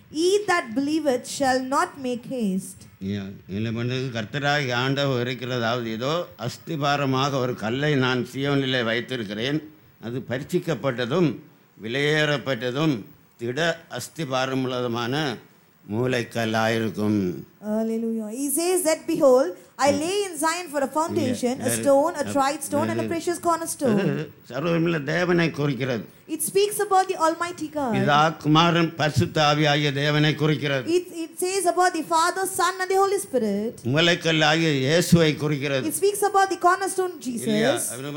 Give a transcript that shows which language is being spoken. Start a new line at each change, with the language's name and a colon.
English: He that believeth shall not make haste.
Tamil: இல்லை பண்ணுறது கர்த்தராக ஆண்டவர் இருக்கிறதாவது இதோ அஸ்திபாரமாக ஒரு கல்லை நான் சியோனில் வைத்திருக்கிறேன் அது பரீட்சிக்கப்பட்டதும் விலையேறப்பட்டதும் திட அஸ்திபாரம் உள்ளதுமான மூலைக்கல்லாயிருக்கும்
English: Hallelujah. He says that behold, I lay in Zion for a foundation, a stone, a tried stone and a precious cornerstone.
Tamil: சர்வவல்லமுள்ள தேவனை குறிக்கிறது.
English: It speaks about the Almighty God.
Tamil: பிதா குமாரன் பரிசுத்த ஆவியாகிய தேவனை குறிக்கிறது.
English: It says about the Father, Son and the Holy Spirit.
Tamil: மூலைக்கல்லாகிய இயேசுவை குறிக்கிறது.
English: It speaks about the cornerstone Jesus.